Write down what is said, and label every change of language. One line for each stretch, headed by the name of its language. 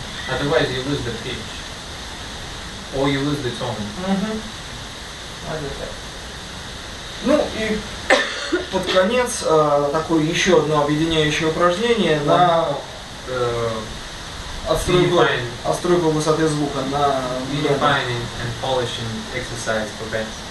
English: Otherwise, you lose the pitch, or you lose the tone. Mm-hmm. Okay.
Russian: Ну и под конец такое еще одно объединяющее упражнение на отстройку высоты звука на
English: refining and polishing exercise for bends.